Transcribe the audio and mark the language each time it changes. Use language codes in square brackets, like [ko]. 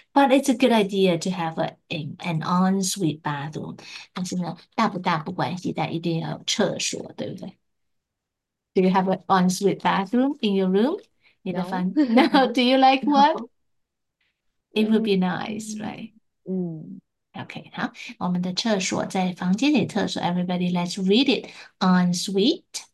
[en] But it's a good idea to have an ensuite bathroom. [zh] 但是呢，大不大不关系，但一定要有厕所，对不对？ [en] Do you have an ensuite bathroom in your room? No, No, do you like one? no. It would be nice, right? Okay, [zh] 好，我们的厕所在房间里厕所。 [en] Everybody, let's read it. Ensuite.